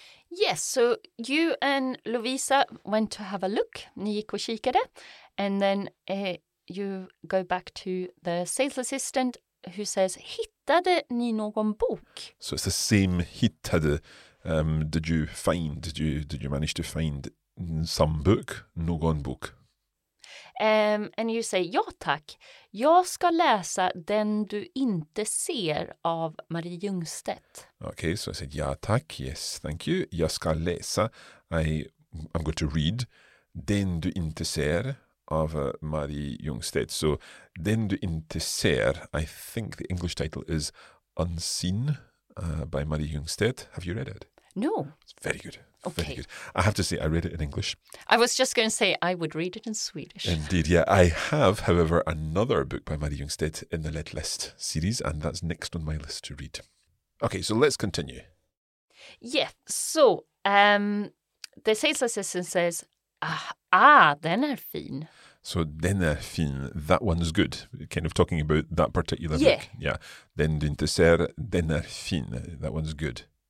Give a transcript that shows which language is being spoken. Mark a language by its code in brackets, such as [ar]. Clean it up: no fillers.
[en] Yes, so you and Lovisa went to have a look, [sv] ni gick och kikade, [en] and then you go back to the sales assistant who says, [sv] hittade ni någon bok? [en] So it's the same hittade. Did you manage to find some book, [sv] någon bok? [en] And you say, [sv] ja tack, jag ska läsa [en] Den du inte ser av Marie Ljungstedt. Okay, so I said, [sv] ja tack, [en] yes, thank you. [sv] Jag ska läsa, [en] I'm going to read Den du inte ser av Marie Ljungstedt. So, Den du inte ser, I think the English title is Unseen by Marie Ljungstedt. Have you read it? No. It's very good. Okay. Very good. I have to say, I read it in English. I was just going to say, I would read it in Swedish. Indeed, yeah. I have, however, another book by Marie Ljungstedt in the Lead List series, and that's next on my list to read. Okay, so let's continue. Yeah, so the sales assistant says, [sv] ah, den är fin. [en] So, [sv] den är fin, [en] that one's good. Kind of talking about that particular yeah. book. Yeah. Den du inte ser, [sv] den är fin, [en] that one's good.